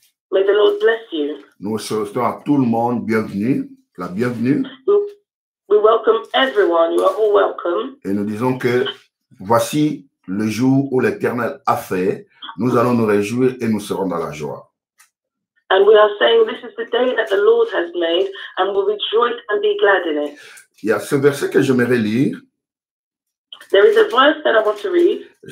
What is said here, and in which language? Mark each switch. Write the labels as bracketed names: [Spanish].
[English] May the Lord bless you. [French] Nous souhaitons à tout le monde bienvenue, la bienvenue. [English] We welcome everyone. You are all welcome. [French] Et nous disons que voici le jour où l'Éternel a fait. Nous allons nous réjouir et nous serons dans la joie. [English] And we are saying this is the day that the Lord has made and we'll rejoice and be glad in it. [French] Il y a ce verset que j'aimerais lire. [English] There is a verse that I want to read.